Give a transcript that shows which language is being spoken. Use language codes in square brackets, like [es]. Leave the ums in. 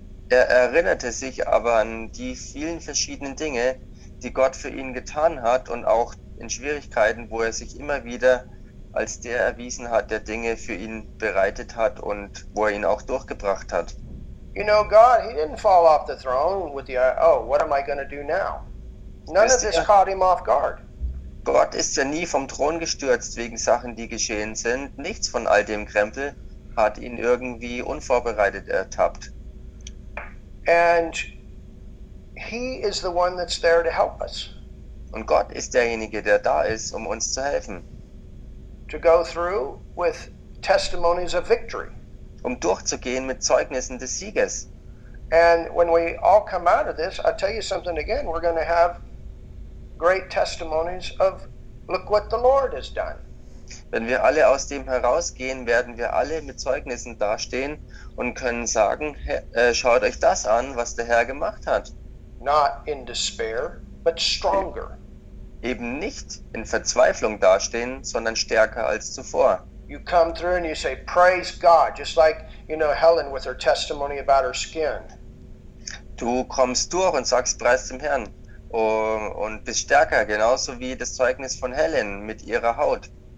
[de] er erinnerte sich aber an die vielen verschiedenen Dinge, die Gott für ihn getan hat und auch in Schwierigkeiten, wo er sich immer wieder als der erwiesen hat, der Dinge für ihn bereitet hat und wo er ihn auch durchgebracht hat. [en] You know, God, he didn't fall off the throne with the, oh, what am I going to do now? None of this caught him off guard. [de] Gott ist ja nie vom Thron gestürzt wegen Sachen, die geschehen sind. Nichts von all dem Krempel hat ihn irgendwie unvorbereitet ertappt. [en] And he is the one that's there to help us. And God is [de] derjenige, der da ist, um uns zu helfen. [en] To go through with testimonies of victory. [de] Um durchzugehen mit Zeugnissen des Sieges. [en] And when we all come out of this, I'll tell you something again, we're going to have Great testimonies of, look what the Lord has done. [de] Wenn wir alle aus dem herausgehen, werden wir alle mit Zeugnissen dastehen und können sagen, äh, schaut euch das an, was der Herr gemacht hat. [en] Not in despair, but stronger. [de] Eben nicht in Verzweiflung dastehen, sondern stärker als zuvor. [en] You come through and you say praise God, just like, you know, Helen with her testimony about her skin. [de] Du kommst durch und sagst preis dem Herrn, Oh, und bis stärker, genauso wie das Zeugnis von Helen mit ihrer Haut.